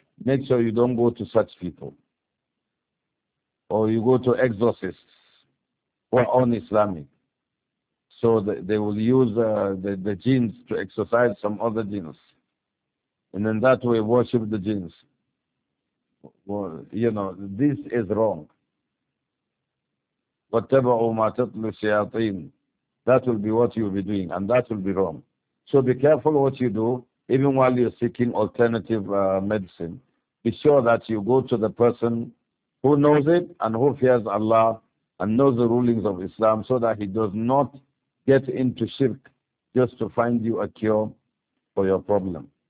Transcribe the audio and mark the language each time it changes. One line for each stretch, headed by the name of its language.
English: Make sure you don't go to such people. Or you go to exorcists who are un-Islamic. So they will use the jinns to exorcise some other jinns. And then that way worship the jinns. Well, you know, this is wrong.
Arabic: واتبعوا ما تتلو الشياطين.
English: That will be what you'll be doing, and that will be wrong. So be careful what you do, even while you're seeking alternative medicine. Be sure that you go to the person who knows it and who fears Allah and knows the rulings of Islam, so that he does not get into shirk just to find you a cure for your problem.